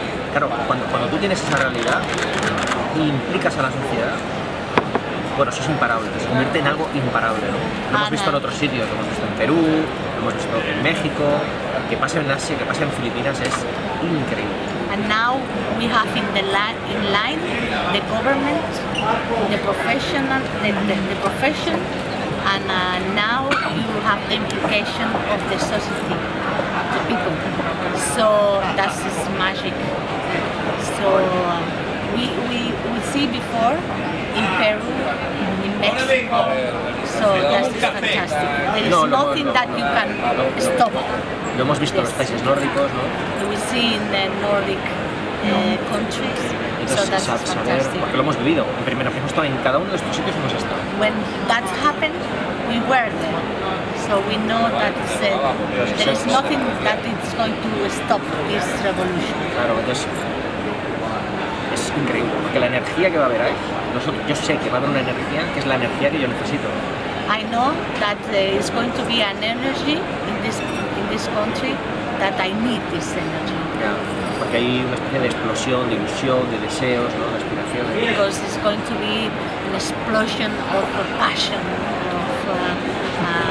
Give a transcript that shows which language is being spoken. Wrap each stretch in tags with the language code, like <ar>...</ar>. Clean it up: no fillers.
<es>Claro, cuando tú tienes esa realidad y implicas a la sociedad, bueno, eso es imparable, se convierte en algo imparable, ¿no? Lo hemos visto en otros sitios, lo hemos visto en Perú, lo hemos visto en México, que pase en Asia, que pase en Filipinas, es increíble.</es> <en>And now we have in line the government, the professional, the profession, and now you have the implication of the society, the people. So that is magic. So we see before in Peru, in Mexico. So that is fantastic. There is nothing that you can stop.</en> <es>Lo hemos visto en los países nórdicos, ¿no?</es> <en>We see in the Nordic countries.</en> <es>Entonces,</es> <en>so that's</en> <es>saber, porque lo hemos vivido. En primera vez, justo en cada uno de estos sitios hemos estado.</es> <en>When that happened, we were there. So we know that there is nothing that is going to stop this revolution.</en> <es>Claro, es increíble. Porque la energía que va a haber ahí, nosotros, yo sé que va a haber una energía que es la energía que yo necesito.</es> <en>I know that there is going to be an energy in this country that I need this energy.</en> <es>Yeah, porque hay una especie de explosión, de ilusión, de deseos, ¿no? De aspiraciones.</es> <en>Because it's going to be an explosion of passion, of</en>